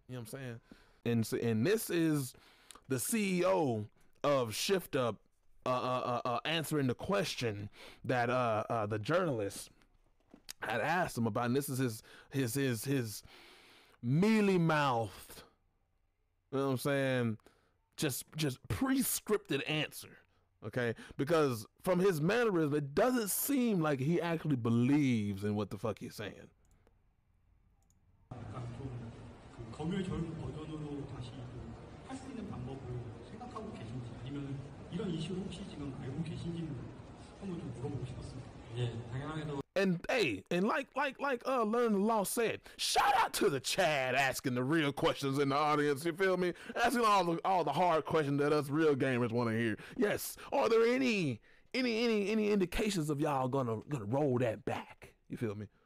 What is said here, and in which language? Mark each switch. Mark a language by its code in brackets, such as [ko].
[en] You know what I'm saying? And this is the CEO of Shift Up answering the question that the journalist had asked him about. And this is his mealy-mouthed, you know what I'm saying, just pre-scripted answer, okay? Because from his mannerism, it doesn't seem like he actually believes in what the fuck he's saying. [ko] 거미의 젊은 버전으로 다시 할 수 있는 방법을 생각하고 계신지 아니면 이런 이슈를 혹시 지금 알고 계신지 한번 좀 물어보고 싶었습니다. 예, 당연하게도. [en] And hey, and like Learn the Law said, shout out to the Chad asking the real questions in the audience, you feel me? Asking all the hard questions that us real gamers wanna hear. Yes. Are there any indications of y'all gonna roll that back? You feel me?